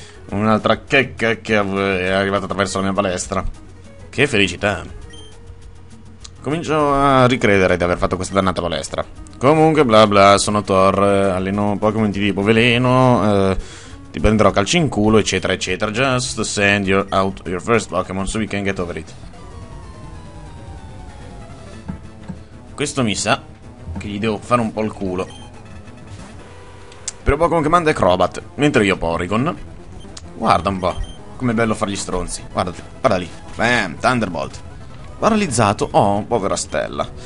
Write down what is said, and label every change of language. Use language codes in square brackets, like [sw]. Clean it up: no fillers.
[it] Un'altra checca che è arrivata attraverso la mia palestra. Che felicità. Comincio a ricredere di aver fatto questa dannata palestra. Comunque, bla bla, sono Thor, alleno Pokémon di tipo veleno, ti prenderò calci in culo, eccetera, eccetera. [en] Just send your out your first Pokémon so we can get over it. [it] Questo mi sa che gli devo fare un po' il culo. Però Pokémon che manda è Crobat, mentre io Porygon. Guarda un po', com'è bello fargli stronzi. Guardate, guarda lì, bam, Thunderbolt. Paralizzato? Oh, povera stella.